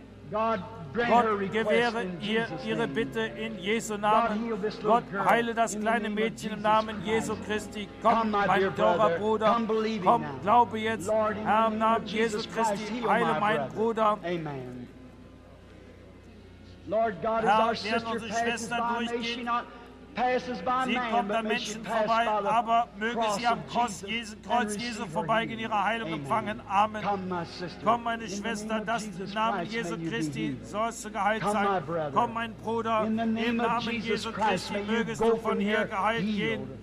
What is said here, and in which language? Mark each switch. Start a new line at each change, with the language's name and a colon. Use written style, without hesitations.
German: Gott, gewähre ihr ihre Bitte in Jesu Namen. Gott, heile das kleine Mädchen im Namen Jesu Christi. Komm, mein teurer Bruder, komm, glaube jetzt. Herr, im Namen Jesu Christi, heile meinen Bruder. Amen.
English: Lord God, is our sister passing by? May she not passes by
German: sie kommt an Menschen vorbei, aber möge sie am Kreuz Jesu vorbeigehen, ihre Heilung empfangen. Amen. Komm, meine Schwester, das im Namen Jesu Christi sollst du geheilt sein. Komm, mein Bruder, im Namen Jesu Christi mögest du von hier geheilt gehen.